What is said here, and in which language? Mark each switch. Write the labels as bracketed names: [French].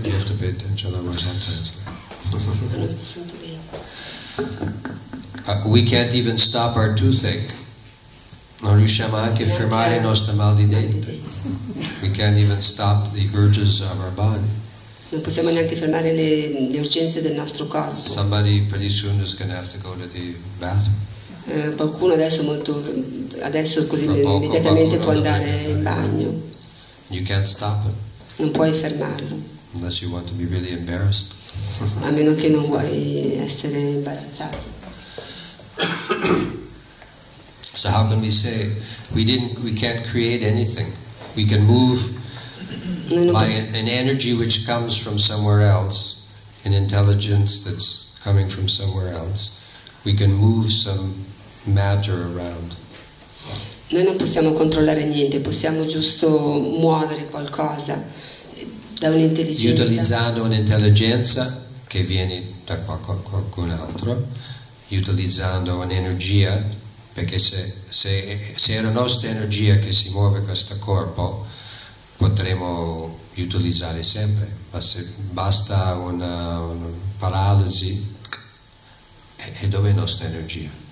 [English] You have to pay attention, otherwise I'll translate. We can't even stop our toothache. [Italian] Non riusciamo anche a fermare il nostro mal di dente. [English] We can't even stop the urges of our body. [Italian] Non possiamo neanche fermare le urgenze del nostro corpo. [English] Somebody pretty soon is going to have to go to the bathroom. [Italian] Qualcuno adesso così immediatamente può andare in bagno. [English] You can't stop it. [Italian] Non puoi fermarlo. [English] Unless you want to be really embarrassed. [Italian] A meno che non vuoi essere imbarazzato. [English] So how can we say we can't create anything? We can move by an energy which comes from somewhere else, an intelligence that's coming from somewhere else. We can move some matter around. [Italian] Noi non possiamo controllare niente, possiamo giusto muovere qualcosa da un'intelligenza. Utilizzando un'intelligenza che viene da qualcun altro, utilizzando un'energia, perché se è la nostra energia che si muove questo corpo, potremo utilizzare sempre, ma se basta una paralisi, e dove è la nostra energia?